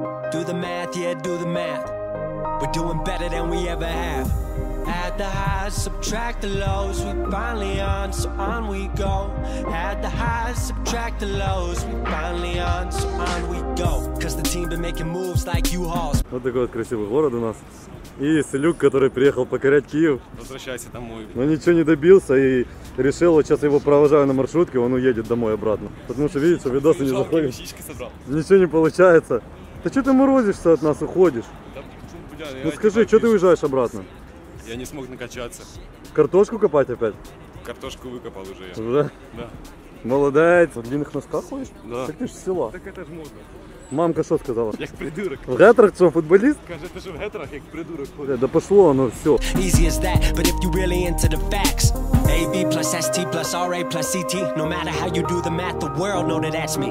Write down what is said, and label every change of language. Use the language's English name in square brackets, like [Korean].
[English] Do the math, yeah, do the math. We're doing better than we ever have. Add the highs, subtract the lows. We finally on, so on we go. Add the highs, subtract the lows. We finally on, so on we go. Cause the team been making moves like U-Hauls. [Russian] Вот такой вот красивый город у нас. И Селюк, который приехал покорять Киев. Возвращайся домой. Но ничего не добился и решил, вот сейчас я его провожаю на маршрутке, он уедет домой обратно. Потому что, видите, видосы не заходят. Ничего не получается. Да что ты морозишься от нас, уходишь? Да, ну скажи, что ты уезжаешь обратно? Я не смог накачаться. Картошку копать опять? Картошку выкопал уже я. Уже? Да. Молодец. В длинных носках ходишь? Да. Так ты же с села. Так это же можно. Мамка что сказала? Как придурок. В гетрах что, футболист? Скажи, ты же в гетрах, как придурок. Да пошло оно все. [English] Easy as that, but if you really into the facts. AB plus ST plus RA plus CT. No matter how you do the math, the world know that that's me.